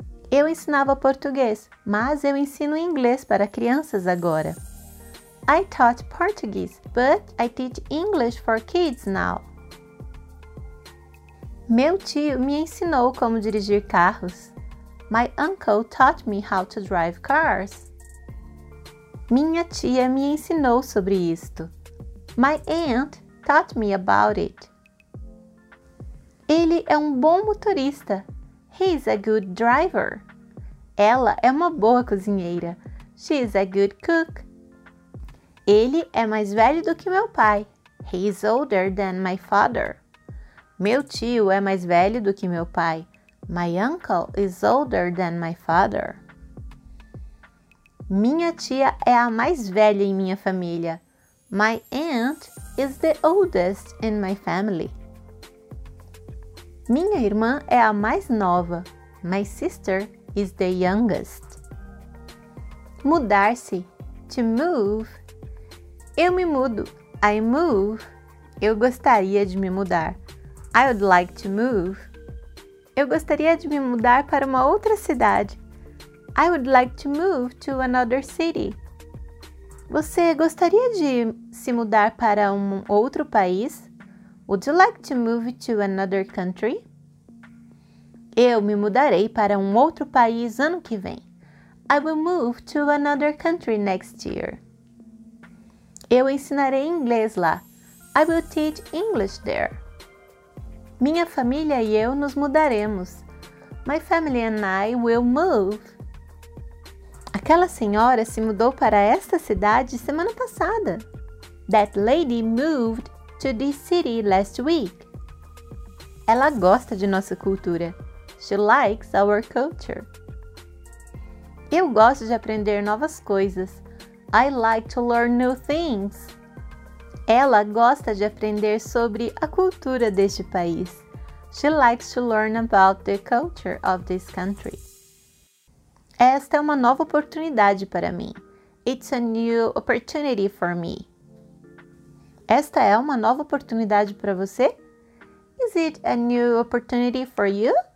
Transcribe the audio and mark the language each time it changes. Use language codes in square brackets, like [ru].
[pt] Eu ensinava português, mas eu ensino inglês para crianças agora. [en] I taught Portuguese, but I teach English for kids now. [pt] Meu tio me ensinou como dirigir carros. [en] My uncle taught me how to drive cars. [pt] Minha tia me ensinou sobre isto. [en] My aunt taught me about it. [pt] Ele é um bom motorista. [en] He's a good driver. [pt] Ela é uma boa cozinheira. [en] She's a good cook. [pt] Ele é mais velho do que meu pai. [en] He's older than my father. [pt] Meu tio é mais velho do que meu pai. [en] My uncle is older than my father. [pt] Minha tia é a mais velha em minha família. [en] My aunt is the oldest in my family. [pt] Minha irmã é a mais nova. [en] My sister is the youngest. [pt] Mudar-se. [en] To move. [pt] Eu me mudo. [en] I move. [pt] Eu gostaria de me mudar. [en] I would like to move. [pt] Eu gostaria de me mudar para uma outra cidade. [en] I would like to move to another city. [pt] Você gostaria de se mudar para um outro país? [en] Would you like to move to another country? [pt] Eu me mudarei para um outro país ano que vem. [en] I will move to another country next year. [pt] Eu ensinarei inglês lá. [en] I will teach English there. [pt] Minha família e eu nos mudaremos. [en] My family and I will move. [pt] Aquela senhora se mudou para esta cidade semana passada. [en] That lady moved to this city last week. [pt] Ela gosta de nossa cultura. [en] She likes our culture. [pt] Eu gosto de aprender novas coisas. [en] I like to learn new things. [pt] Ela gosta de aprender sobre a cultura deste país. [en] She likes to learn about the culture of this country. [pt] Esta é uma nova oportunidade para mim. [en] It's a new opportunity for me. [pt] Esta é uma nova oportunidade para você? [en] Is it a new opportunity for you?